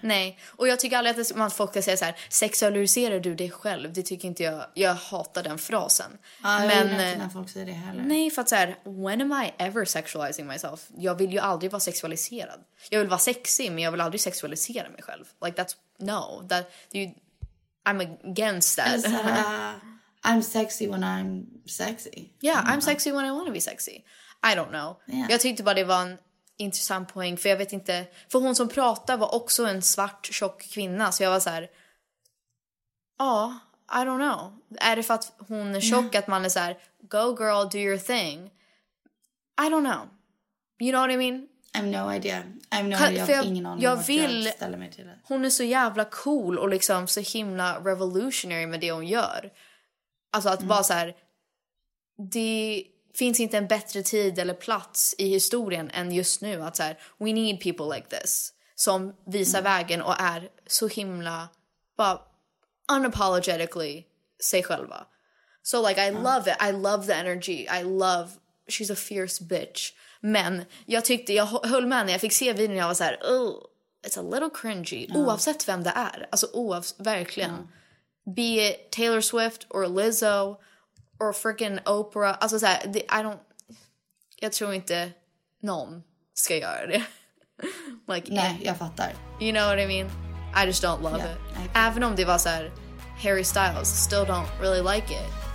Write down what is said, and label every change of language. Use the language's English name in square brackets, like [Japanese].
[Swedish] Nej, och jag tycker aldrig att man får säga så här, sexualiserar du dig själv? Det tycker inte jag, jag hatar den frasen. Men jag vet inte när folk säger det heller. Nej, för att så här, [English] when am I ever sexualizing myself? [Swedish] Jag vill ju aldrig vara sexualiserad. Jag vill vara sexy, men jag vill aldrig sexualisera mig själv. [English] Like that's, no, that, you, I'm against that. I'm sexy when I'm sexy. Yeah, I'm sexy when I want to be sexy. I don't know. Yeah. [Swedish] Jag tyckte bara det var en intressant poäng, för jag vet inte, för hon som pratade var också en svart tjock kvinna, så jag var så här, ja, [English] I don't know, [Swedish] är det för att hon är tjock att man är så här, [English] go girl, do your thing, I don't know, you know what I mean? I have no idea, [Swedish] jag har ingen aning. Jag vill, hon är så jävla cool och liksom så himla revolutionary med det hon gör, alltså att bara så här, det finns inte en bättre tid eller plats i historien än just nu. Att så här, [English] we need people like this. [Swedish] Som visar vägen och är så himla, bara unapologetically sig själva. [English] So like, I love it. I love the energy. I love, she's a fierce bitch. [Swedish] Men jag tyckte, jag höll med när jag fick se videon. Jag var så här, [English] oh, it's a little cringy. [Swedish] Oavsett vem det är. Alltså, verkligen. Yeah. [English] Be it Taylor Swift or Lizzo. Or freaking Oprah. [Swedish] Alltså såhär, jag tror inte någon ska göra det. [English] Like, [Swedish] nej, jag fattar. [English] You know what I mean? I just don't love it. [Swedish] Även om det var såhär, Harry Styles, [English] still don't really like it.